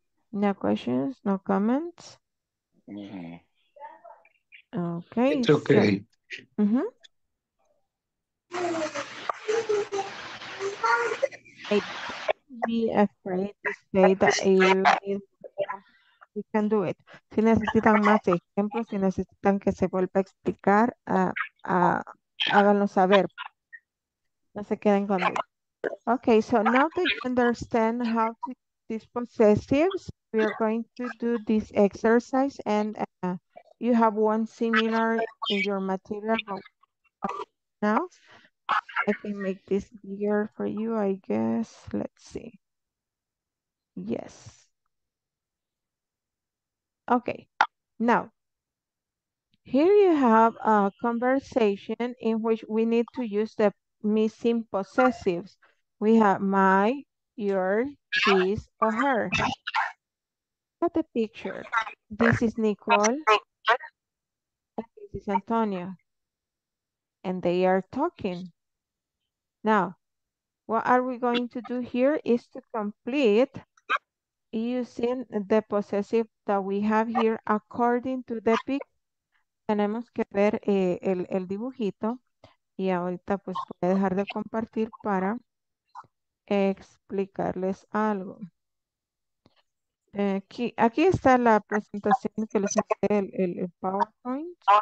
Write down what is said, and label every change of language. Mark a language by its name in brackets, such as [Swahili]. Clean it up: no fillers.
[English] No questions, no comments? Mm-hmm. Okay. It's okay. So, mm-hmm. Hey, be afraid to say that you need. We can do it. [Spanish] Si necesitan más ejemplos, si necesitan que se vuelva a explicar, háganlo saber. No se queden con él. [English] Okay, so now that you understand how to use these possessives, we are going to do this exercise, and you have one similar in your material now. I can make this bigger for you, I guess. Let's see. Yes. Okay, now, here you have a conversation in which we need to use the missing possessives. We have my, your, his, or her. Look at the picture. This is Nicole, and this is Antonio, and they are talking. Now, what are we going to do here is to complete using the possessive that we have here according to the pic. [Spanish] Tenemos que ver el dibujito y ahorita pues voy a dejar de compartir para explicarles algo. Aquí está la presentación que les hice el PowerPoint.